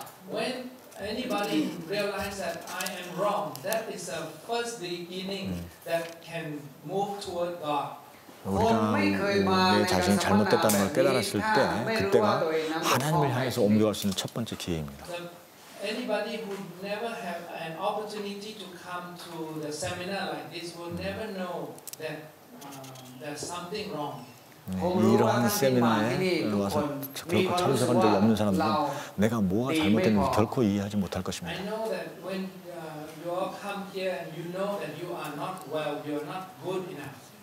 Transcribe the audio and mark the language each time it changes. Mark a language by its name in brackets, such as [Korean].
[English] When anybody realizes that I am wrong, that is the first beginning that can move toward God. [Korean] 우리가 내 자신이 잘못됐다는 걸 깨달았을 때, 그때가 하나님을 향해서 옮겨갈 수 있는 첫 번째 기회입니다. [English] Anybody who never have an opportunity to come to the seminar like this will never know that. There's something wrong. [Korean] 이러한 세미나에 와서 결코 참석한 적이 없는 사람들은 내가 뭐가 잘못됐는지 결코 이해하지 못할 것입니다. [English] I know that when you all come here and you know that you are not well, you're not good enough.